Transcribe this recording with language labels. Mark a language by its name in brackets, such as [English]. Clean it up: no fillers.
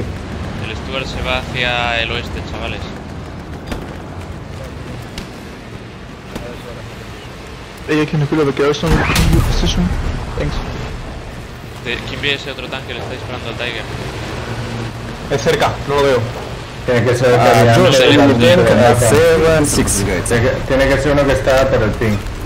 [Spanish] El Stuart se va hacia el oeste, chavales. [English] Hey, can you pull up a garrison in your position? Thanks. [Spanish] ¿Quién ve ese otro tanque? Le está disparando al Tiger. Es cerca, no lo veo. Tiene que ser el Tiene que ser uno que está por el ping.